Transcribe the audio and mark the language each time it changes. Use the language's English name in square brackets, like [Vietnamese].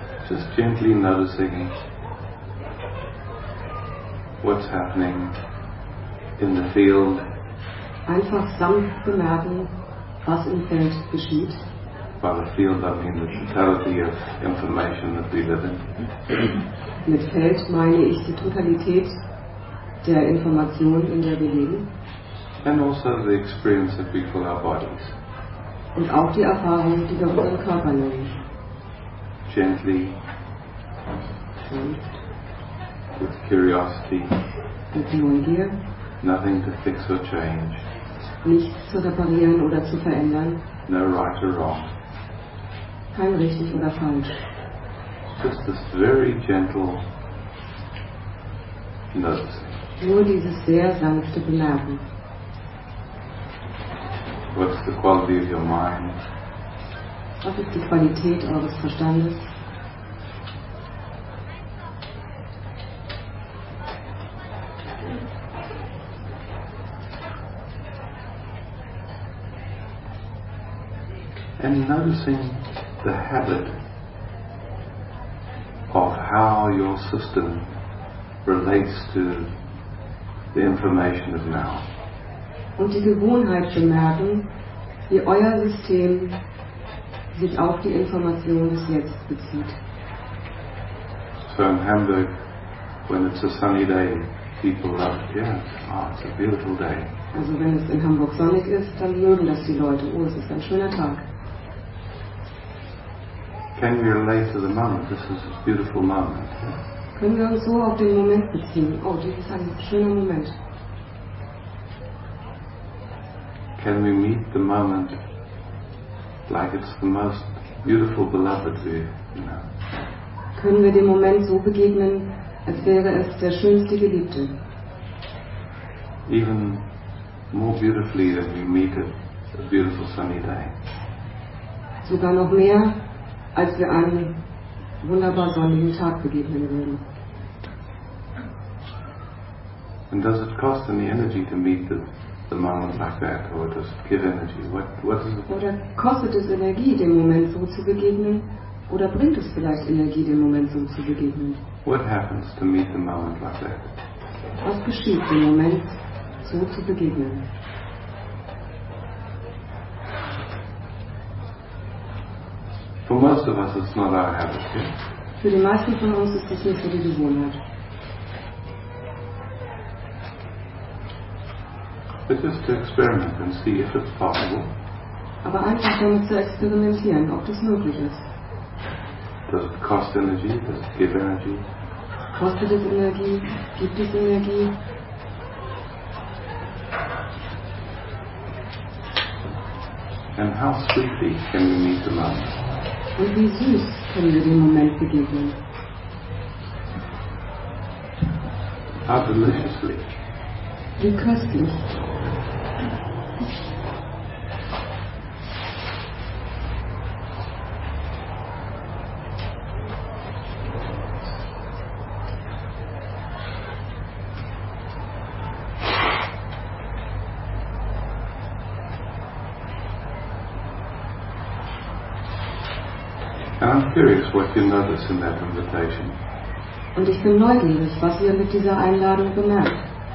[English] Just gently noticing what's happening in the field. [German] Einfach sanft bemerken, was im Feld geschieht. [English] By the field, I mean the totality of information that we live in. [German] Mit Feld meine ich die Totalität der Information, in der wir leben. [English] And also the experience that we call our bodies. [German] Und auch die Erfahrung, die wir unseren Körper nennen. [English] Gently. With curiosity. [German] Mit Neugier. [English] Nothing to fix or change. [German] Nichts zu reparieren oder zu verändern. [English] No right or wrong. [German] Kein richtig oder falsch. [English] Just this very gentle note. [German] Nur dieses sehr sanfte Bemerken. [English] What's the quality of your mind? [German] Was ist die Qualität eures Verstandes? [English] And noticing the habit of how your system relates to the information of now. [German] Und die Gewohnheit bemerken, wie euer System sich auf die Information des Jetzt bezieht. [English] So in Hamburg, when it's a sunny day, people love it. Yeah, oh, it's a beautiful day. [German] Also wenn es in Hamburg sonnig ist, dann mögen das die Leute. Oh, es ist ein schöner Tag. [English] Can we relate to the moment? This is a beautiful moment. [German] Können wir uns so auf den Moment beziehen? Oh, das ist ein schöner Moment. [English] Can we meet the moment like it's the most beautiful beloved we know? [German] Können wir dem Moment so begegnen, als wäre es der schönste Geliebte? [English] Even more beautifully than we meet it, a beautiful sunny day. [German] Sogar noch mehr, als wir einen wunderbar sonnigen Tag begegnen würden. [English] And does it cost any energy to meet the moment like that, or does it give energy? What is it? [German] Oder kostet es Energie, dem Moment so zu begegnen? Oder bringt es vielleicht Energie, dem Moment so zu begegnen? [English] What happens to meet the moment like that? [German] Was geschieht, dem Moment so zu begegnen? [English] For most of us, it's not our habit. Yeah? [German] Für die meisten von uns ist das nicht so die Gewohnheit. [English] But just to experiment and see if it's possible. [German] Aber einfach damit zu experimentieren, ob das möglich ist. [English] Does it cost energy? Does it give energy? [German] Kostet es Energie? Gibt es Energie? [English] And how sweetly can we meet the moment? [German] Und wie süß können wir dem Moment begegnen? [English] How deliciously. [German] Wie köstlich. [English] I'm curious what you notice in that invitation. [German] Und ich bin neugierig, was ihr mit dieser Einladung bemerkt.